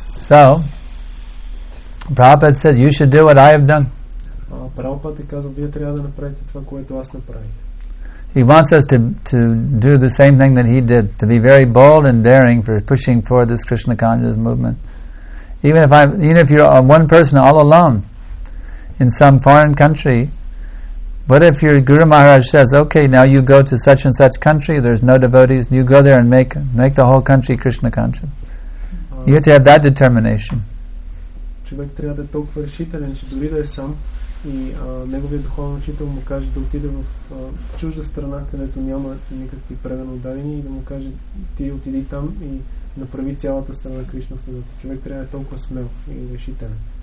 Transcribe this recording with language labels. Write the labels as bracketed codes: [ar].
[en] So, Prabhupada said, you should do what I have done. [bg] Prabhupada каза, вие трябва да направите това, което аз направих. [en] He wants us to do the same thing that he did, to be very bold and daring for pushing forward this Krishna consciousness movement. Even if you're one person all alone in some foreign country, what if your Guru Maharaj says, okay, now you go to such and such country, there's no devotees, and you go there and make the whole country Krishna conscious? You have to have that determination. [bg] Човек трябва да е толкова решителен, че дори да е сам и неговият духовен учител му каже да отиде в чужда страна, където няма никакви предано дадени и да му каже, ти отиди там и направи цялата страна Кришна в съзнанието. Човек трябва да е толкова смел и решителен.